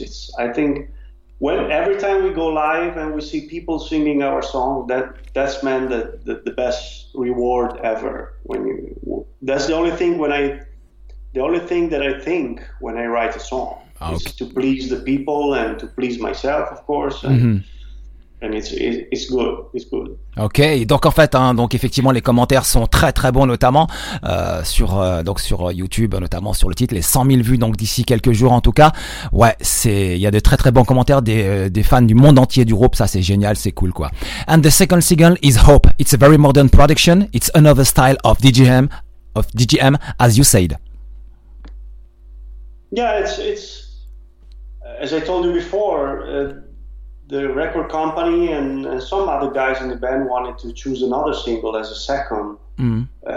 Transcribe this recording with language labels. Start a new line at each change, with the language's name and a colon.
English: It's, I think, when every time we go live and we see people singing our song, that's meant the best reward ever. That's the only thing that I think when I write a song, okay, is to please the people and to please myself, of course. And, mm-hmm. and it's good. It's good.
French: Ok, donc en fait, hein, donc effectivement, les commentaires sont très très bons, notamment sur donc sur YouTube, notamment sur le titre, les 100 000 vues donc d'ici quelques jours en tout cas. Ouais, c'est, il y a de très très bons commentaires des fans du monde entier du groupe, ça c'est génial, c'est cool quoi.
English: And the second single is Hope. It's a very modern production. It's another style of DGM, as you said. Yeah, it's as I told you before. The record company and some other guys in the band wanted to choose another single as a second. Mm.